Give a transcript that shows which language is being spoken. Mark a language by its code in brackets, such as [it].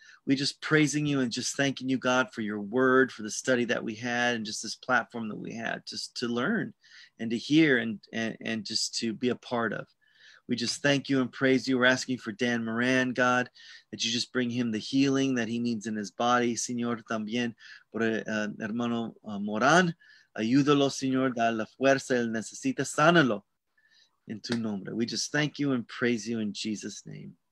[en] We're just praising you and just thanking you, God, for your word, for the study that we had, and just this platform that we had, just to learn and to hear and just to be a part of. We just thank you and praise you. We're asking for Dan Moran, God, that you just bring him the healing that he needs in his body. [es] Señor, también por hermano Moran, Ayúdalo, Señor, da la fuerza, él necesita, sánalo en tu nombre. [en] We just thank you and praise you in Jesus' name.